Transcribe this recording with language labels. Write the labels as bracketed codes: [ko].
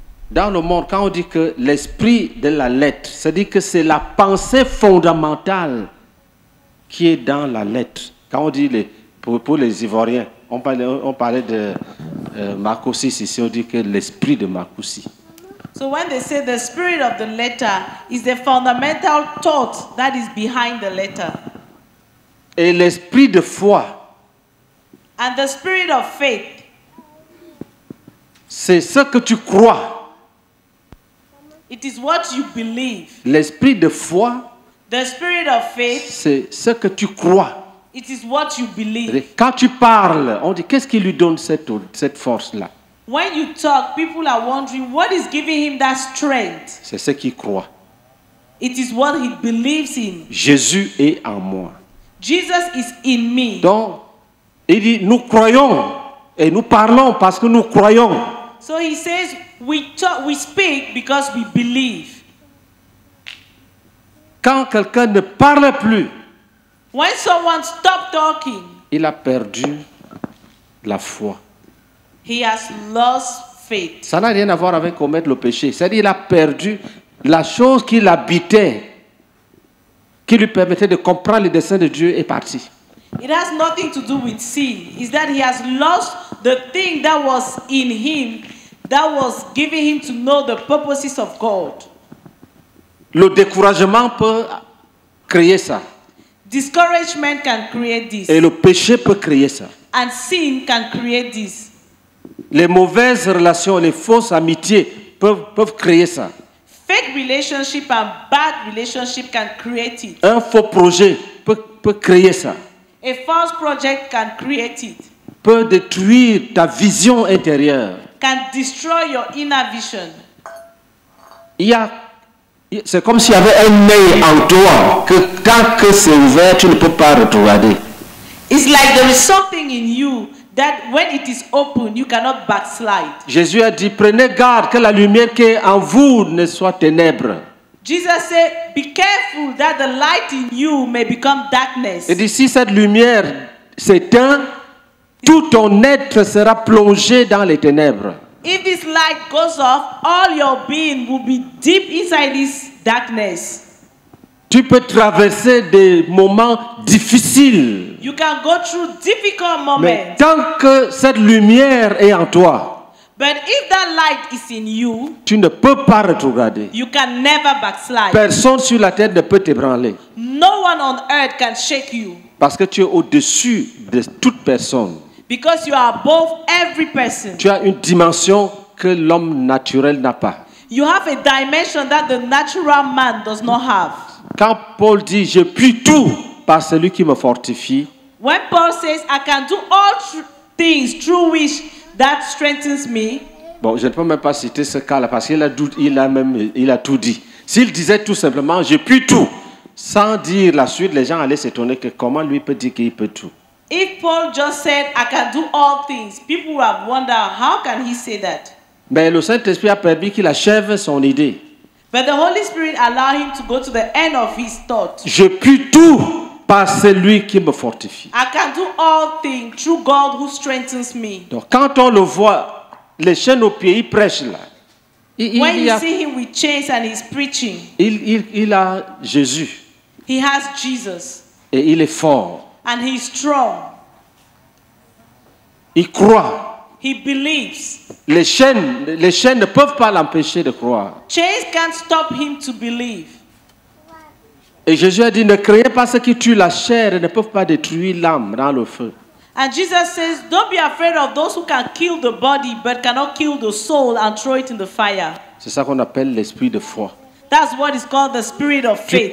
[fr] Dans le monde, quand on dit que l'esprit de la lettre, c'est-à-dire que c'est la pensée fondamentale qui est dans la lettre. Quand on dit pour les Ivoiriens, on parlait de Marco 6 ici, on dit que l'esprit de Marco 6. [en] So when they say the spirit of the letter is the fundamental thought that is behind the letter. [fr] Et l'esprit de foi. [en] And the spirit of faith. [fr] C'est ce que tu crois. [en] It is what you believe. [fr] L'esprit de foi. [en] The spirit of faith. [fr] C'est ce que tu crois. [en] It is what you believe. [fr] Quand tu parles, on dit qu'est-ce qui lui donne cette force-là? [en] When you talk, people are wondering what is giving him that strength. [fr] C'est ce qu'il croit. [en] It is what he believes in. [fr] Jésus est en moi. [en] Jesus is in me. [fr] Donc, il dit nous croyons et nous parlons parce que nous croyons. [en] So he says we speak because we believe. [fr] Quand quelqu'un ne parle plus, [en] when someone stopped talking, [fr] il a perdu la foi. [en] He has lost faith. [fr] Ça n'a rien à voir avec commettre le péché. C'est-à-dire qu'il a perdu la chose qui l'habitait, qui lui permettait de comprendre le dessein de Dieu est parti. [en] It has nothing to do with sin. It's that he has lost the thing that was in him, that was giving him to know the purposes of God. [fr] Le découragement peut créer ça. [en] Discouragement can create this. [fr] Et le péché peut créer ça. [en] And sin can create this. [fr] Les mauvaises relations, les fausses amitiés peuvent créer ça. [en] Fake relationship and bad relationship can create it. [fr] Un faux projet peut créer ça. [en] A false project can create it. [fr] Peut détruire ta vision intérieure. [en] Can destroy your inner vision. [fr] C'est comme s'il y avait un œil en toi que tant que c'est ouvert, tu ne peux pas retourner. [en] It's like there is something in you that when it is open, you cannot backslide. [fr] Jésus a dit, prenez garde que la lumière qui est en vous ne soit ténèbre. [en] Jesus said, be careful that the light in you may become darkness. [fr] Et d'ici cette lumière s'éteint, tout ton être sera plongé dans les ténèbres. [en] If this light goes off, all your being will be deep inside this darkness. [fr] Tu peux traverser des moments difficiles. [en] You can go through difficult moments. [fr] Mais tant que cette lumière est en toi, [en] but if that light is in you, [fr] tu ne peux pas retrograder. [en] You can never backslide. [fr] Personne sur la terre ne peut t'ébranler. [en] No one on earth can shake you. [fr] Parce que tu es au-dessus de toute personne. [en] Because you are above every person. [fr] Tu as une dimension que l'homme naturel n'a pas. [en] You have a dimension that the natural man does not have. [fr] Quand Paul dit, je puis tout par celui qui me fortifie. [en] When Paul says, I can do all things through which that strengthens me. [fr] Bon, je ne peux même pas citer ce cas-là parce qu'il a tout, il a tout dit. S'il disait tout simplement, je puis tout, sans dire la suite, les gens allaient s'étonner que comment lui peut dire qu'il peut tout. [en] If Paul just said, I can do all things, people would have wondered, how can he say that? [fr] Mais le Saint-Esprit a permis qu'il achève son idée. [en] But the Holy Spirit allowed him to go to the end of his thought. [fr] Je puis tout. par celui qui me fortifie. [en] I can do all things through God who strengthens me. [fr] Donc quand on le voit, les chaînes aux pieds, il prêche là. [en] When you see him with chains and he's preaching. [fr] Il a Jésus. [en] He has Jesus. [fr] Et il est fort. [en] And he's strong. [fr] Il croit. [en] He believes. [fr] Les chaînes ne peuvent pas l'empêcher de croire. [en] Chains can't stop him to believe. [fr] Et Jésus a dit, ne craignez pas ceux qui tuent la chair et ne peuvent pas détruire l'âme dans le feu. [en] And Jesus says, don't be afraid of those who can kill the body but cannot kill the soul and throw it in the fire. [fr] C'est ça qu'on appelle l'esprit de foi. [en] That's what is called the spirit of faith.